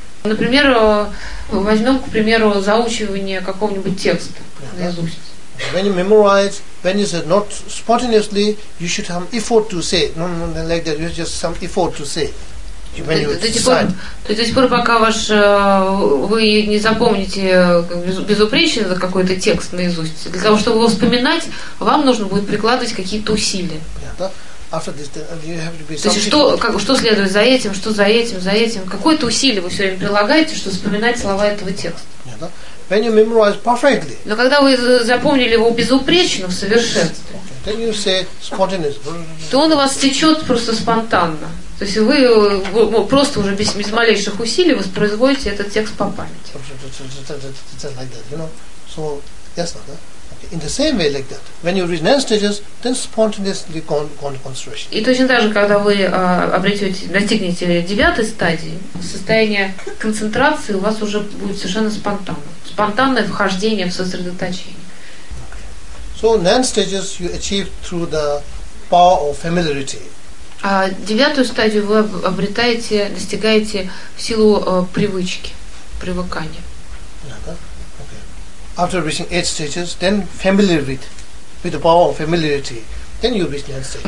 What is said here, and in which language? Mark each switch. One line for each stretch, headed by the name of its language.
Russian: Например, возьмем, к примеру, заучивание какого-нибудь текста наизусть.
English: When you memorize, when you say not spontaneously, you should have effort to say. No, like that. You have just some effort to say. When you decide.
Russian: До сих пор, пока вы не запомните безупречно за какой-то текст наизусть, для того чтобы его вспоминать, вам нужно будет прикладывать какие-то усилия.
English: After this, you have to be.
Russian: То есть что следует за этим, что за этим? Какое-то усилие вы все время прилагаете, чтобы вспоминать слова этого текста.
English: When you memorize perfectly.
Russian: Но когда вы запомнили его безупречно, в совершенстве.
English: Okay. Then you say spontaneously.
Russian: То он у вас течет просто спонтанно. То есть вы просто уже без малейших усилий воспроизводите этот текст по памяти.
English: Like that, you know. So, yes, not, okay. In the same way, like that. When you reach next stages, then spontaneously go into concentration.
Russian: И точно так же, когда вы достигнете девятой стадии, состояние концентрации у вас уже будет совершенно спонтанно. Спонтанное вхождение в сосредоточение.
English: Okay. So nine stages you achieve through the power of familiarity.
Russian: А девятую стадию вы достигаете в силу привычки, привыкания.
English: After reaching 8 stages, then familiar with the power of familiarity, then you reach 9 stages.